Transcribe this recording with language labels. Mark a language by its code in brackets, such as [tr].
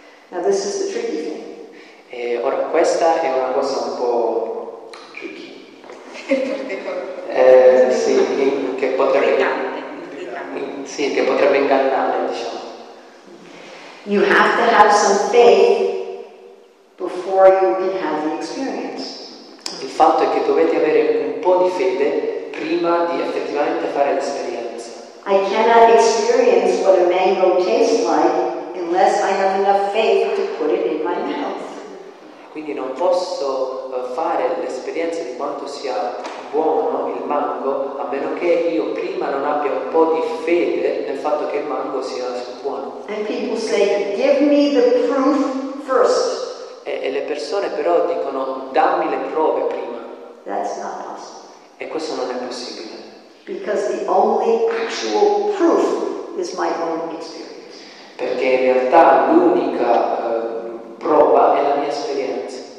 [en] Now this is the tricky thing. [it] E ora questa è una cosa un po' tricky. sì, che potrebbe sì, che potrebbe ingannare, diciamo. [en] You have to have some faith before you can have the experience. [it] Il fatto è che dovete avere un po' di fede prima di effettivamente fare l'esperienza. [en] I cannot experience what a mango tastes like unless I have enough faith to put it in my mouth. [it] Quindi non posso fare l'esperienza di quanto sia buono il mango a meno che io prima non abbia un po' di fede nel fatto che il mango sia buono. [en] And people say, give me the proof first. [it] E le persone però dicono dammi le prove prima. [en] That's not possible. [it] E questo non è possibile. [en] Because the only actual proof is my own experience. [it] Perché in realtà l'unica prova è la mia esperienza.